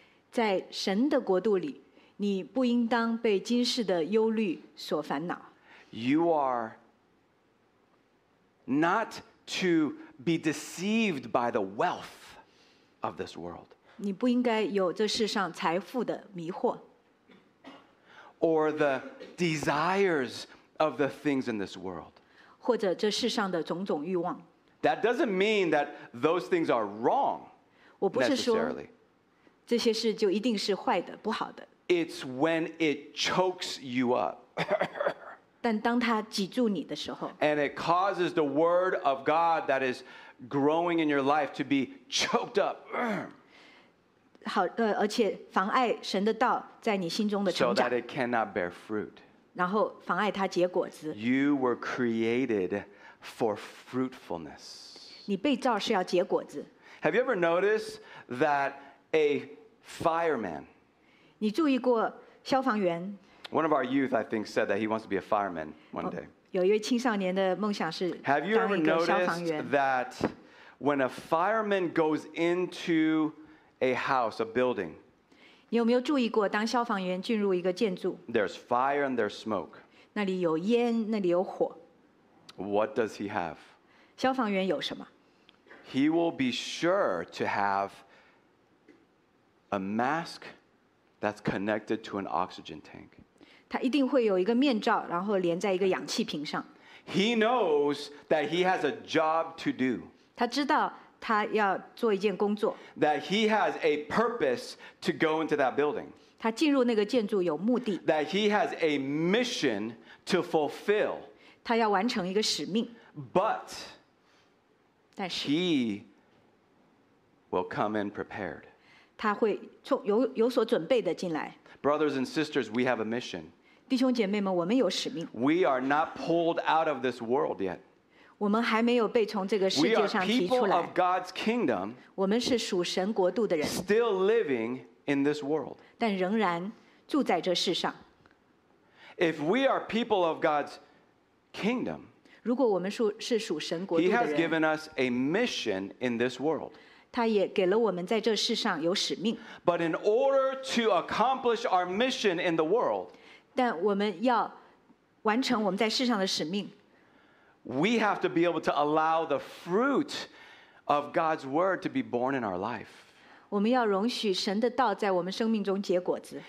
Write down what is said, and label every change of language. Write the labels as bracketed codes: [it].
[zh] 在神的国度里，你不应当被今世的忧虑所烦恼。 [en] You are not to. Be deceived by the wealth of this world. [zh] 你不应该有这世上财富的迷惑。 [en] Or the desires of the things in this world. [zh] 或者这世上的种种欲望。 [en] That doesn't mean that those things are wrong. [zh] 我不是说这些事就一定是坏的、不好的。 [en] It's when it chokes you up. [zh] 但当他挤住你的时候， [en] and it causes the word of God that is growing in your life to be choked up. [zh] 好，而且妨碍神的道在你心中的成长， [en] so that it cannot bear fruit. [zh] 然后妨碍它结果子。 [en] You were created for fruitfulness. [zh] 你被造是要结果子。 [en] Have you ever noticed that a fireman? [zh] 你注意过消防员？ [en] One of our youth, I think, said that he wants to be a fireman one day. [zh] 有一位青少年的梦想是当一个消防员。 [en] Have you ever noticed that when a fireman goes into a house, a building, [zh] 你有没有注意过当消防员进入一个建筑？ [en] There's fire and there's smoke. [zh] 那里有烟，那里有火。 [en] What does he have? [zh] 消防员有什么？ [en] He will be sure to have a mask that's connected to an oxygen tank. [zh] 他一定会有一个面罩，然后连在一个氧气瓶上。 [en] He knows that he has a job to do. [zh] 他知道他要做一件工作。 [en] That he has a purpose to go into that building. [zh] 他进入那个建筑有目的。 [en] That he has a mission to fulfill. [zh] 他要完成一个使命。 [en] But, [zh] 但是 [en] he will come in prepared. [zh] 他会有所准备的进来。 [en] Brothers and sisters, we have a mission. [zh] 弟兄姐妹们，我们有使命。 [en] We are not pulled out of this world yet. [zh] 我们还没有被从这个世界上提出来。 [en] We are people of God's kingdom. [zh] 我们是属神国度的人。 [en] Still living in this world. [zh] 但仍然住在这世上。 [en] If we are people of God's kingdom, [zh] 如果我们是属神国度的人， [en] He has given us a mission in this world. [zh] 他也给了我们在这世上有使命。 [en] But in order to accomplish our mission in the world, [zh] 但我们要完成我们在世上的使命。 [en] We have to be able to allow the fruit of God's word to be born in our life. [zh] 我们要容许神的道在我们生命中结果子。